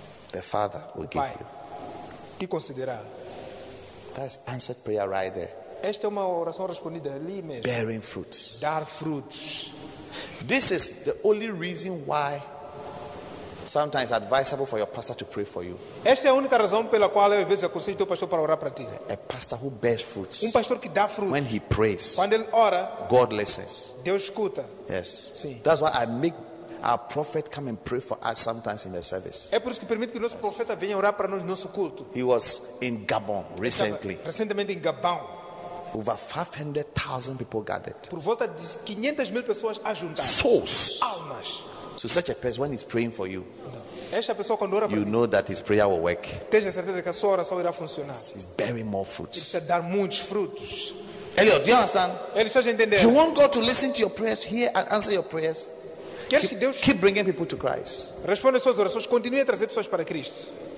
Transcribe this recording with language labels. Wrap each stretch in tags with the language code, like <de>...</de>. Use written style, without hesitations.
<en>The Father will give</en> <pt>Pai,</pt> <en>you.</en> <pt>Te considerará.</pt> <en>That's answered prayer right there.</en> <pt>Esta é uma oração respondida ali mesmo.</pt> <en>Bearing fruits.</en> <pt>Dar frutos.</pt> <en>This is the only reason why sometimes it's advisable for your pastor to pray for you.</en> <pt>Esta é a única razão pela qual eu às vezes aconselho teu pastor para orar para ti.</pt> <en>A pastor who bears fruits.</en> <pt>Um pastor que dá frutos.</pt> <en>When he prays.</en> <pt>Quando ele ora.</pt> <en>God listens.</en> <pt>Deus escuta.</pt> <en>Yes.</en> <pt>Sim.</pt> <en>That's why I make our prophet come and pray for us sometimes in the service.</en> <pt>É por isso que permito que o nosso profeta venha orar para nós no nosso culto.</pt> <en>He was in Gabon recently.</en> <pt>Recentemente em Gabão.</pt> <en>Over 500,000 people gathered.</en> <pt>Por volta de 500 mil pessoas ajuntadas.</pt> <en>Souls.</en> <pt>Almas.</pt> <en>So such a person, when he's praying for you,</en> <pt>esta pessoa, quando ora,</pt> <en>you know that his prayer will work.</en> <pt>Tenha certeza que a sua oração irá funcionar.</pt> <en>He's bearing more fruits.</en> <pt>Ele está dando muitos frutos.</pt> <en>Elio, do you understand?</en> <pt>Ele está entendendo.</pt> <en>You want God to listen to your prayers, hear and answer your prayers.</en> <pt>Queres que Deus</pt> <en>keep bringing people to Christ.</en> <pt>Responda suas orações, continue a trazer pessoas para Cristo.</pt>